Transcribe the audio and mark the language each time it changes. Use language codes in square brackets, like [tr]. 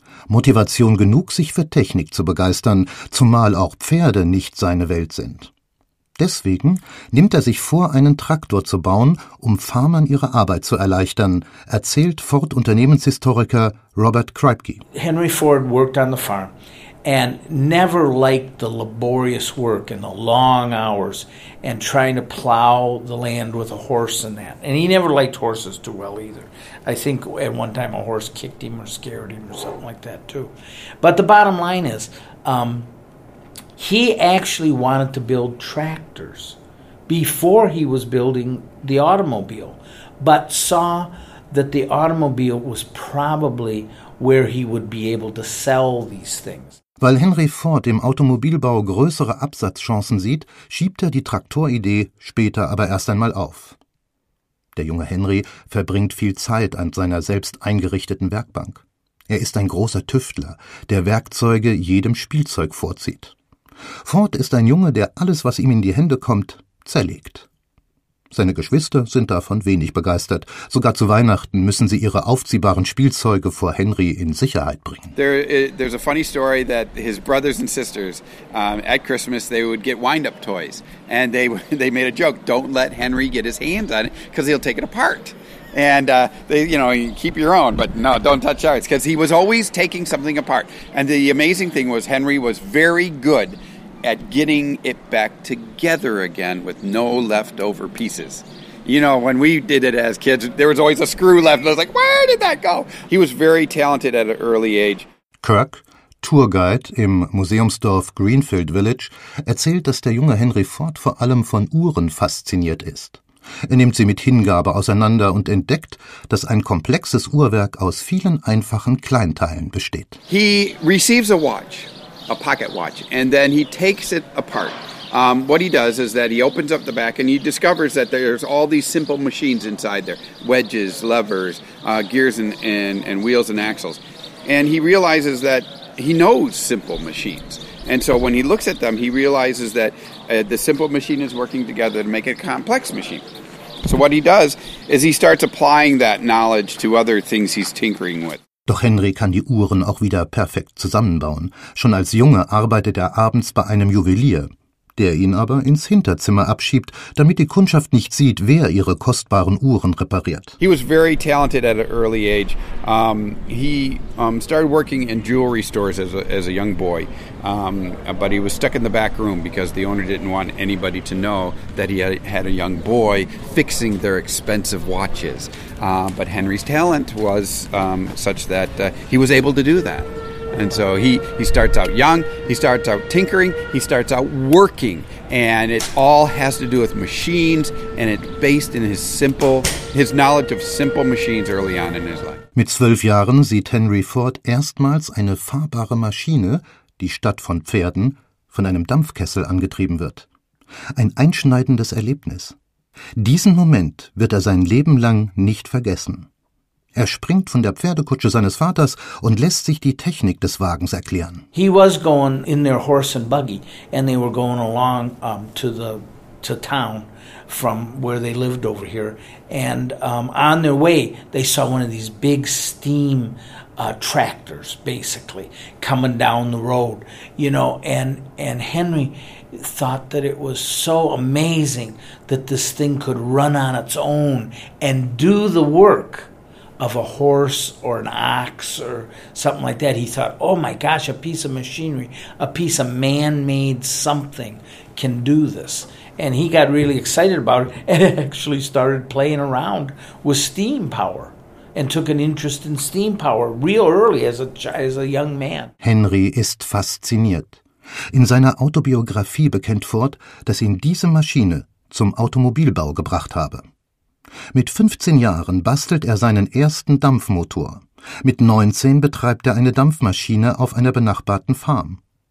[de] Motivation genug, sich für Technik zu begeistern, zumal auch Pferde nicht seine Welt sind. Deswegen nimmt er sich vor, einen Traktor zu bauen, um Farmern ihre Arbeit zu erleichtern, erzählt Ford-Unternehmenshistoriker Robert Kripke. [en] Henry Ford worked on the farm and never liked the laborious work and the long hours and trying to plow the land with a horse and that. And he never liked horses too well either. I think at one time a horse kicked him or scared him or something like that too. But the bottom line is, he actually wanted to build tractors before he was building the automobile, but saw that the automobile was probably where he would be able to sell these things. [de] Weil Henry Ford im Automobilbau größere Absatzchancen sieht, schiebt er die Traktoridee später aber erst einmal auf. Der junge Henry verbringt viel Zeit an seiner selbst eingerichteten Werkbank. Er ist ein großer Tüftler, der Werkzeuge jedem Spielzeug vorzieht. Ford ist ein Junge, der alles, was ihm in die Hände kommt, zerlegt. Seine Geschwister sind davon wenig begeistert. Sogar zu Weihnachten müssen sie ihre aufziehbaren Spielzeuge vor Henry in Sicherheit bringen. [en] There's a funny story that his brothers and sisters at Christmas they would get wind-up toys and they made a joke: Don't let Henry get his hands on it, because he'll take it apart. And they, you know, keep your own, but no, don't touch ours, because he was always taking something apart. And the amazing thing was Henry was very good at getting it back together again with no leftover pieces. You know, when we did it as kids, there was always a screw left. And I was like, where did that go? He was very talented at an early age. [de] Kirk, Tourguide im Museumsdorf Greenfield Village, erzählt, dass der junge Henry Ford vor allem von Uhren fasziniert ist. Er nimmt sie mit Hingabe auseinander und entdeckt, dass ein komplexes Uhrwerk aus vielen einfachen Kleinteilen besteht. [en] He receives a watch, a pocket watch, and then he takes it apart. What he does is that he opens up the back and he discovers that there's all these simple machines inside there, wedges, levers, gears and wheels and axles. And he realizes that he knows simple machines. And so when he looks at them, he realizes that the simple machine is working together to make a complex machine. So what he does is he starts applying that knowledge to other things he's tinkering with. [de] Doch Henry kann die Uhren auch wieder perfekt zusammenbauen. Schon als Junge arbeitet er abends bei einem Juwelier, der ihn aber ins Hinterzimmer abschiebt, damit die Kundschaft nicht sieht, wer ihre kostbaren Uhren repariert. [en] He was very talented at an early age. He started working in jewelry stores as a young boy. But he was stuck in the back room because the owner didn't want anybody to know that he had a young boy fixing their expensive watches. But Henry's talent was such that he was able to do that. And so he starts out young, he starts out tinkering, he starts out working. And it all has to do with machines, and it's based in his knowledge of simple machines early on in his life. [de] Mit 12 Jahren sieht Henry Ford erstmals eine fahrbare Maschine, die statt von Pferden von einem Dampfkessel angetrieben wird. Ein einschneidendes Erlebnis. Diesen Moment wird er sein Leben lang nicht vergessen. Er springt von der Pferdekutsche seines Vaters und lässt sich die Technik des Wagens erklären. [en] He was going in their horse and buggy, and they were going along to town from where they lived over here. And on their way, they saw one of these big steam tractors, basically, coming down the road. You know, and Henry thought that it was so amazing that this thing could run on its own and do the work of a horse or an ox or something like that. He thought, oh my gosh, a piece of machinery, a piece of man-made something can do this. And he got really excited about it and actually started playing around with steam power and took an interest in steam power real early as a young man. [de] Henry ist fasziniert. In seiner Autobiografie bekennt Ford, dass ihn diese Maschine zum Automobilbau gebracht habe. Mit 15 Jahren bastelt er seinen ersten Dampfmotor. Mit 19 betreibt er eine Dampfmaschine auf einer benachbarten Farm.